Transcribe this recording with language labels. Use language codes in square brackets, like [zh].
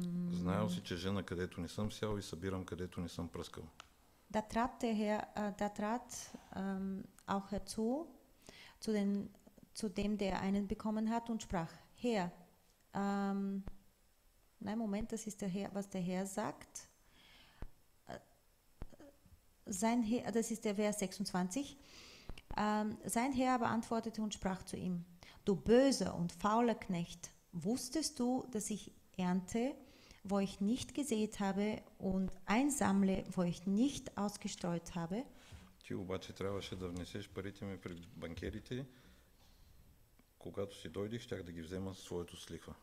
[bg] Знаел си, че жена където не съм сял и събирам където не съм пръскал. [de] Da trat der Herr, da trat auch herzu, zu dem, der einen bekommen hat und sprach, Herr, nein, Moment, das ist der Herr, was der Herr sagt. Sein Herr, das ist der Vers 26. Sein Herr aber antwortete und sprach zu ihm, du böser und fauler Knecht, wusstest du, dass ich ernte, wo ich nicht gesät habe und einsammle, wo ich nicht ausgestreut habe. [bg] Ти обаче трябваше да внесеш парите ми при банкерите, когато си дойдеш, щях да ги взема със своето с лихва.